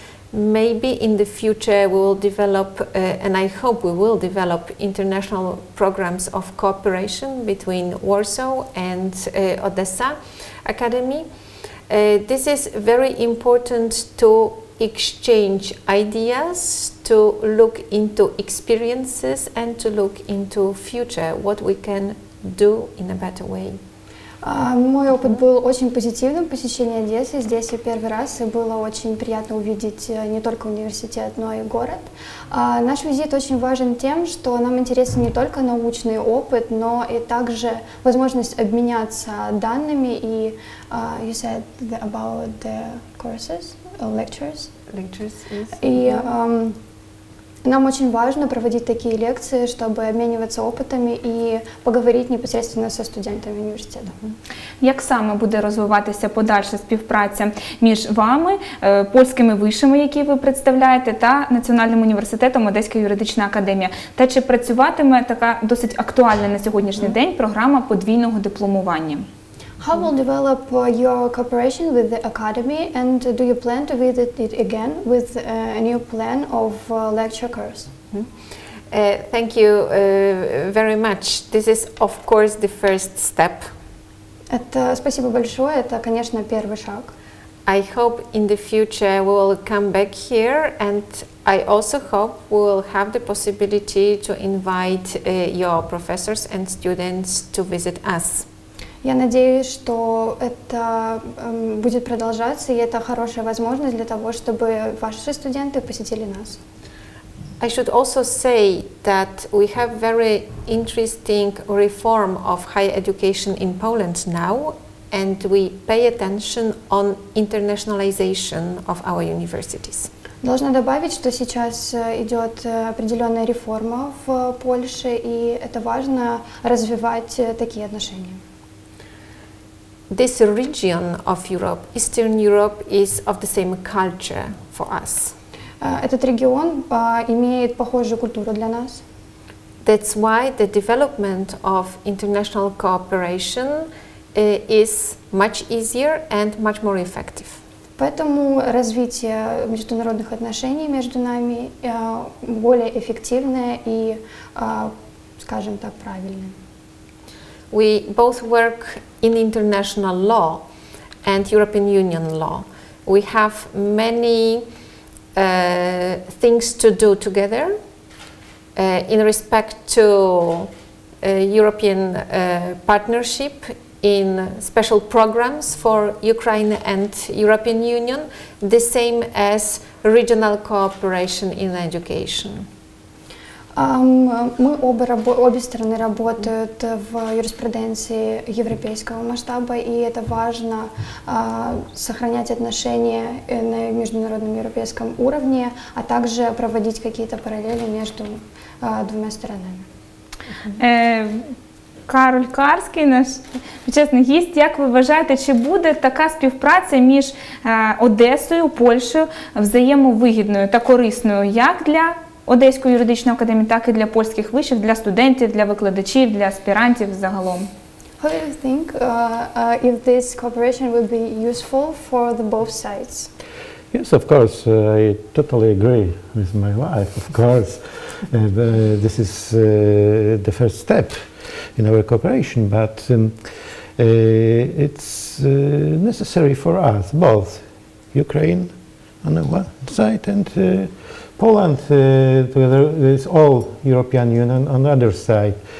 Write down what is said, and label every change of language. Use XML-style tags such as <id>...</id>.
<en>Maybe in the future we will develop, and I hope we will develop, international programs of cooperation between Warsaw and Odessa Academy. This is very important to exchange ideas, to look into experiences and to look into future, what we can do in a better way.</en> <ru>Мой опыт был очень позитивным, посещение Одессы. Здесь я первый раз, и было очень приятно увидеть не только университет, но и город. Наш визит очень важен тем, что нам интересен не только научный опыт, но и также возможность обменяться данными.</ru> <en>И you said about the courses, lectures. Lectures, yes.</en> <ru>И нам очень важно проводить такие лекции, чтобы обмениваться опытами и поговорить непосредственно со студентами университета.</ru> <uk>Як саме буде розвиватися подальша співпраця між вами, польськими вишами, які ви представляєте, та Національним університетом Одеської юридичної академії? Та чи працюватиме така досить актуальна на сьогоднішній день програма подвійного дипломування?</uk> <en>How will develop your cooperation with the academy, and do you plan to visit it again with a new plan of lecture course? Thank you very much. This is, of course, the first step.</en> <ru>Это спасибо большое. Это, конечно, первый шаг.</ru> <en>I hope in the future we will come back here, and I also hope we will have the possibility to invite your professors and students to visit us.</en> <ru>Я надеюсь, что это будет продолжаться, и это хорошая возможность для того, чтобы ваши студенты посетили нас.</ru> <en>I should also say that we have very interesting reform of higher education in Poland now, and we pay attention on internationalization of our universities.</en> <ru>Должна добавить, что сейчас идет определенная реформа в Польше, и это важно развивать такие отношения.</ru> <en>This region of Europe, Eastern Europe, is of the same culture for us.</en> <ru>Этот регион имеет похожую культуру для нас.</ru> <en>That's why the development of international cooperation is much easier and much more effective.</en> <ru>Поэтому развитие международных отношений между нами более эффективное и, скажем так, правильное.</ru> <en>We both work in international law and European Union law. We have many things to do together in respect to European partnership in special programs for Ukraine and European Union, the same as regional cooperation in education.</en> <ru>Мы оба обе стороны работают в юриспруденции европейского масштаба, и это важно сохранять отношения на международном европейском уровне, а также проводить какие-то параллели между двумя сторонами.</ru> <uk>Кароль Карський, наш почесний гість, як ви вважаєте, чи буде така співпраця між Одесою, Польщею взаємовигідною та корисною, як для Одеської юридичної академії, так і для польських вишів, для студентів, для викладачів, для аспірантів загалом.</uk> <en>How do you think if this cooperation will be useful for the both sides? Yes, of course, I totally agree with my wife, of course. This is the first step in our cooperation, but it's necessary for us, both Ukraine on the one side and Poland, together with all European Union on the other side.</en>